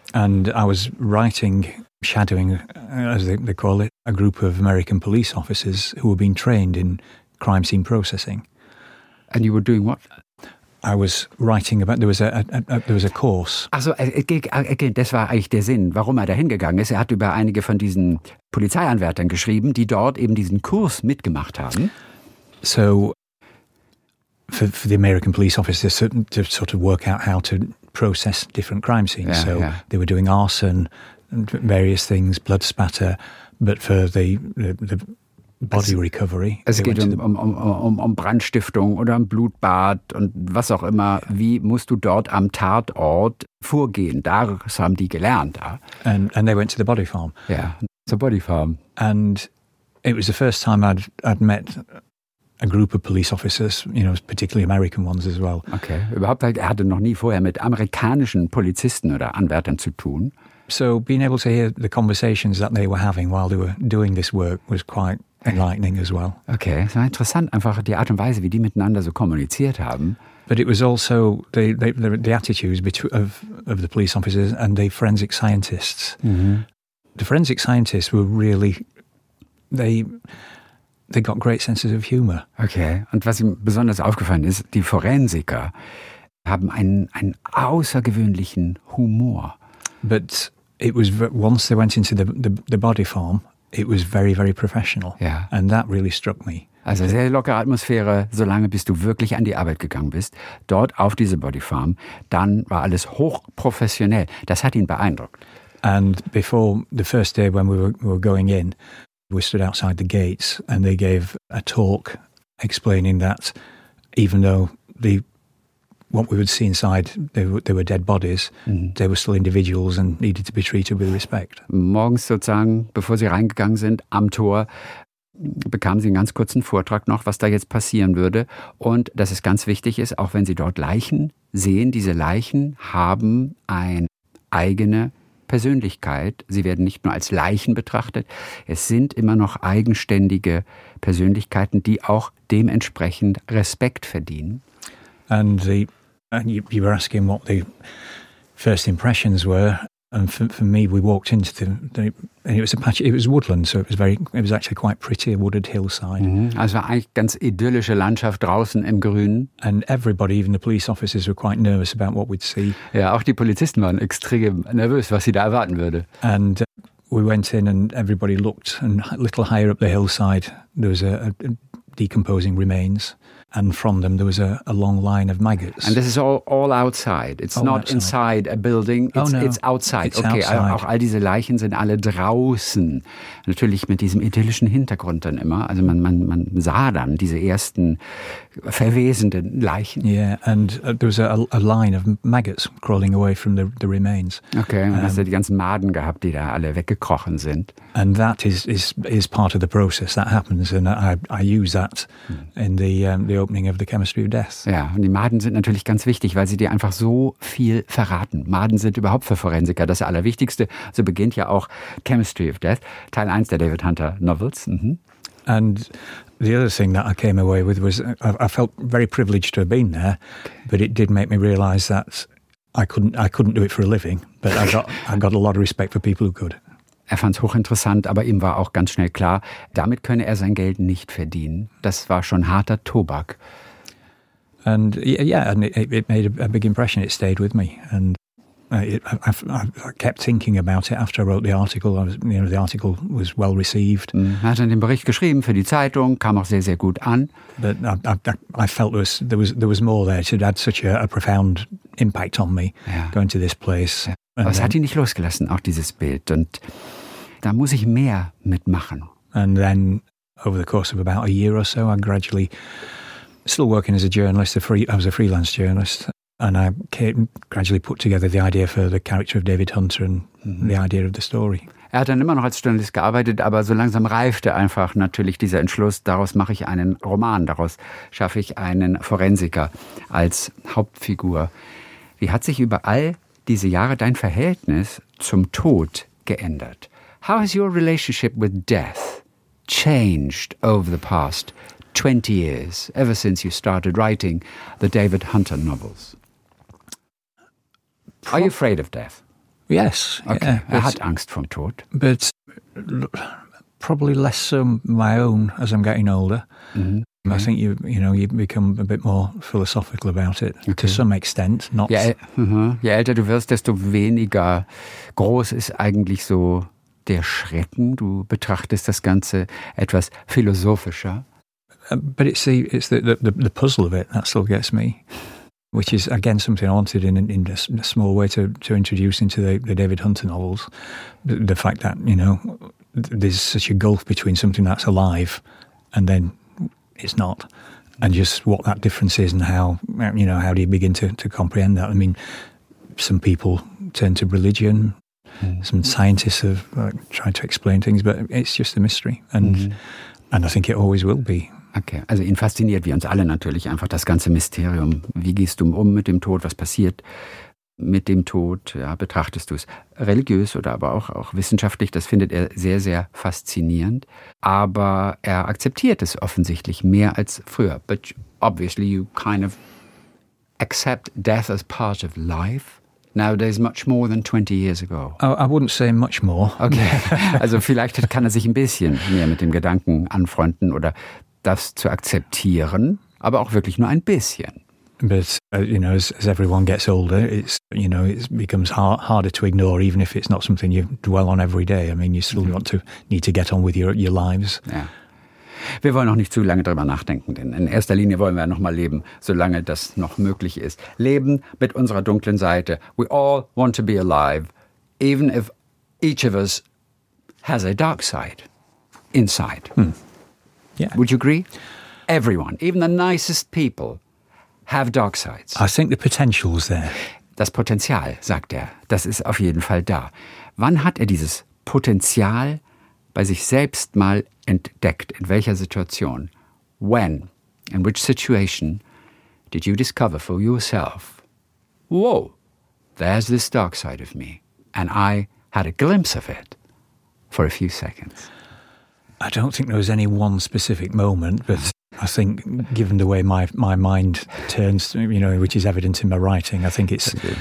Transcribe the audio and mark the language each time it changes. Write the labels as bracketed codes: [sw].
[en] And I was writing, shadowing, as they call it, a group of American police officers who were being trained in crime scene processing. And you were doing what? I was writing about, there was a course. [de] Also, das war eigentlich der Sinn, warum er da hingegangen ist. Er hat über einige von diesen Polizeianwärtern geschrieben, die dort eben diesen Kurs mitgemacht haben. [en] So, for the American police officers to sort of work out how to process different crime scenes. Yeah, so, yeah. They were doing arson and various things, blood spatter, but for the body recovery. [de] Es geht um Brandstiftung oder um Blutbad und was auch immer. Wie musst du dort am Tatort vorgehen? Das haben die gelernt. [en] And they went to the body farm. Yeah, the body farm. And it was the first time I'd met a group of police officers, you know, particularly American ones as well. [de] Okay, überhaupt, er hatte noch nie vorher mit amerikanischen Polizisten oder Anwärtern zu tun. [en] So being able to hear the conversations that they were having while they were doing this work was quite enlightening as well. [de] Okay, es war interessant, einfach die Art und Weise, wie die miteinander so kommuniziert haben. [en] But it was also the attitudes of the police officers and the forensic scientists. Mm-hmm. The forensic scientists were really, they got great senses of humor. [de] Okay, und was ihm besonders aufgefallen ist, die Forensiker haben einen außergewöhnlichen Humor. [en] But it was once they went into the body farm, it was very, very professional. Yeah. And that really struck me. [de] Also sehr lockere Atmosphäre, solange bis du wirklich an die Arbeit gegangen bist, dort auf diese Body Farm, dann war alles hochprofessionell. Das hat ihn beeindruckt. [en] And before the first day when we were going in, we stood outside the gates and they gave a talk explaining that even though what we would see inside, they were dead bodies. Mm-hmm. They were still individuals and needed to be treated with respect. [de] Morgens sozusagen, bevor sie reingegangen sind, am Tor, bekamen sie einen ganz kurzen Vortrag noch, was da jetzt passieren würde. Und dass es ganz wichtig ist, auch wenn sie dort Leichen sehen, diese Leichen haben eine eigene Persönlichkeit. Sie werden nicht nur als Leichen betrachtet. Es sind immer noch eigenständige Persönlichkeiten, die auch dementsprechend Respekt verdienen. [en] And you were asking what the first impressions were, And for me, we walked into and it was a patch. It was woodland, so it was actually quite pretty, a wooded hillside. Mm-hmm. [de] Also eigentlich ganz idyllische Landschaft draußen im Grünen. [en] And everybody, even the police officers, were quite nervous about what we'd see. [de] Ja, auch die Polizisten waren extrem nervös, was sie da erwarten würde. [en] And we went in, and everybody looked, and a little higher up the hillside, there was a decomposing remains. And from them, there was a long line of maggots. And this is all outside. It's all not outside. Inside a building. It's, oh, no. It's outside. It's okay, outside. [de] Auch all diese Leichen sind alle draußen. Natürlich mit diesem idyllischen Hintergrund dann immer. Also man sah dann diese ersten verwesenden Leichen. [en] Yeah, and there was a line of maggots crawling away from the remains. [de] Okay, und hast du die ganzen Maden gehabt, die da alle weggekrochen sind. [en] And that is part of the process that happens. And I use that in the opening of the Chemistry of Death. [de] Ja, und die Maden sind natürlich ganz wichtig, weil sie dir einfach so viel verraten. Maden sind überhaupt für Forensiker das Allerwichtigste. So beginnt ja auch Chemistry of Death, Teil 1 der David Hunter Novels. Mhm. [en] And the other thing that I came away with was I felt very privileged to have been there, but it did make me realize that I couldn't do it for a living, but I got a lot of respect for people who could. [de] Er fand es hochinteressant, aber ihm war auch ganz schnell klar, damit könne er sein Geld nicht verdienen. Das war schon harter Tobak. [en] And yeah, and it made a big impression. It stayed with me, and I kept thinking about it after I wrote the article. The article was well received. [de] Er hat dann den Bericht geschrieben für die Zeitung, kam auch sehr sehr gut an. [en] But I felt there was more there. It had such a profound impact on me, yeah, going to this place. Yeah. [de] Aber es hat ihn nicht losgelassen, auch dieses Bild. Und da muss ich mehr mitmachen. [en] And then, over the course of about a year or so, I gradually, still working as a journalist, I was a freelance journalist, and I gradually put together the idea for the character of David Hunter and the idea of the story. [de] Er hat dann immer noch als Journalist gearbeitet, aber so langsam reifte einfach natürlich dieser Entschluss, daraus mache ich einen Roman, daraus schaffe ich einen Forensiker als Hauptfigur. Wie hat sich überall diese Jahre dein Verhältnis zum Tod geändert? [en] How has your relationship with death changed over the past 20 years, ever since you started writing the David Hunter novels? Are you afraid of death? Yes. [de] Okay. Yeah, er hat Angst vorm Tod. [en] But probably less so my own as I'm getting older. Mm-hmm. Okay. I think you become a bit more philosophical about it, okay, to some extent. Not [de] Je älter du wirst, desto weniger groß ist eigentlich so der Schrecken. Du betrachtest das Ganze etwas philosophischer. [en] But it's the puzzle of it that still gets me, which is again something I wanted in a small way to introduce into the David Hunter novels, the fact that there's such a gulf between something that's alive and then it's not, and just what that difference is, and how do you begin to comprehend that? I mean, some people turn to religion, some scientists have tried to explain things, but it's just a mystery, and I think it always will be. [de] Okay, also ihn fasziniert wie uns alle natürlich einfach das ganze Mysterium. Wie gehst du um mit dem Tod? Was passiert mit dem Tod? Ja, betrachtest du es religiös oder aber auch wissenschaftlich? Das findet er sehr, sehr faszinierend. Aber er akzeptiert es offensichtlich mehr als früher. [en] But obviously you kind of accept death as part of life nowadays much more than 20 years ago. I wouldn't say much more. [de] Okay, also vielleicht kann er sich ein bisschen mehr mit dem Gedanken anfreunden oder das zu akzeptieren, aber auch wirklich nur ein bisschen. [en] But as everyone gets older, it becomes harder to ignore, even if it's not something you dwell on every day. I mean, you still need to get on with your lives. [de] Ja. Wir wollen noch nicht zu lange drüber nachdenken, denn in erster Linie wollen wir noch mal leben, solange das noch möglich ist. Leben mit unserer dunklen Seite. [en] We all want to be alive, even if each of us has a dark side inside. Yeah. Would you agree? Everyone, even the nicest people, have dark sides. I think the potential's there. [de] Das Potenzial, sagt er, das ist auf jeden Fall da. Wann hat er dieses Potenzial bei sich selbst mal entdeckt? In welcher Situation? [en] When, in which situation, did you discover for yourself, whoa, there's this dark side of me, and I had a glimpse of it for a few seconds? I don't think there was any one specific moment, but I think, given the way my mind turns, which is evident in my writing, I think it's